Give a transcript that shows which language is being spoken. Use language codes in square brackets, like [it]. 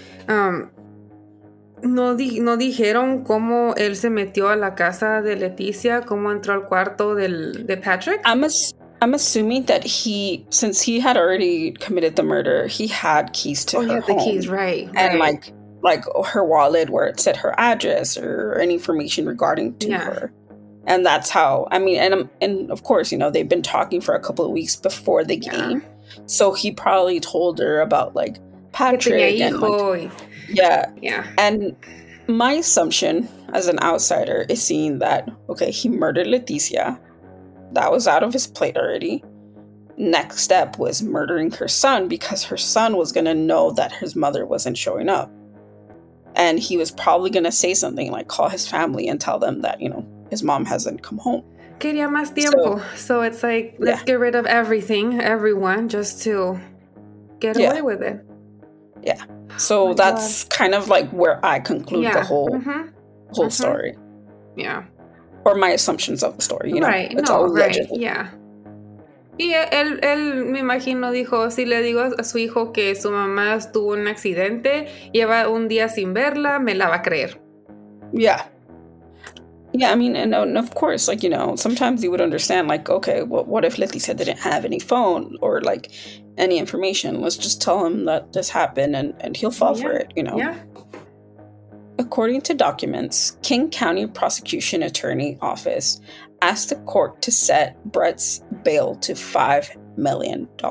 [es] No dijeron cómo él se metió a la casa de Leticia, cómo entró al cuarto de Patrick. [en] I'm assuming that he, since he had already committed the murder, he had keys to her home. Oh, he had the keys, right. And like her wallet where it said her address or any information regarding to her. And that's how, I mean, and of course, you know, they've been talking for a couple of weeks before the game. So he probably told her about like Patrick and like, and my assumption as an outsider is seeing that, okay, he murdered Leticia. That was out of his plate already. Next step was murdering her son because her son was going to know that his mother wasn't showing up. And he was probably going to say something like call his family and tell them that, you know, his mom hasn't come home. [es] Quería más tiempo. [en] So it's like, let's get rid of everything, everyone, just to get away with it. Yeah. So kind of like where I conclude the whole story. Yeah. Or my assumptions of the story, you know. Right. It's all allegedly. Right. [es] Yeah. Y él me imagino dijo, si le digo a su hijo que su mamá tuvo un accidente, lleva un día sin verla, me la va a creer. [en] Yeah. Yeah, I mean, and of course, like, you know, sometimes you would understand, like, okay, well, what if Leticia didn't have any phone or, like, any information? Let's just tell him that this happened and he'll fall for it, you know? Yeah. According to documents, King County Prosecution Attorney Office asked the court to set Brett's bail to $5 million.